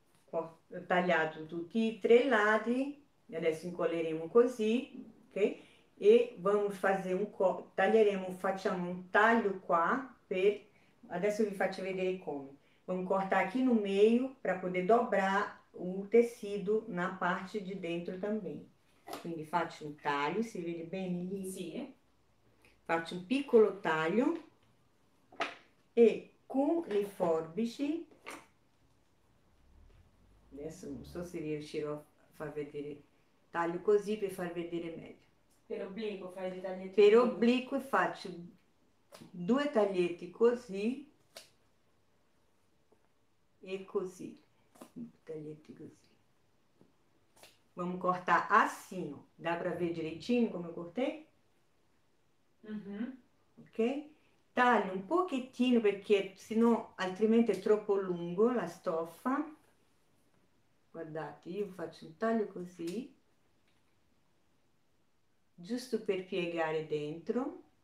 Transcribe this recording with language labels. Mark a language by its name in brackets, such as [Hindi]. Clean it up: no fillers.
[Italian] Ho tagliato tutti i tre lati e adesso incolleremo così, ok? [Portuguese] E vamos fazer um co [Italian] taglieremo, facciamo un taglio qua per adesso vi faccio vedere come. [Portuguese] Vamos cortar aqui no meio para poder dobrar o tecido na parte de dentro também. [Italian] Quindi faccio un taglio, si vede bene Sì. lì? Faccio un piccolo taglio e con le forbici. Adesso non so se riuscirò a far vedere, taglio così per far vedere meglio. Per obbligo, fai dei taglietti Per obbligo. obliquo faccio due taglietti così e così, taglietti così. [Portuguese] Vamo cortare assim, dá para ver direitinho come cortei? Ok? [Italian] Taglio un pochettino perché sennò altrimenti è troppo lungo la stoffa. Guardate, io faccio un taglio così, giusto per piegare dentro.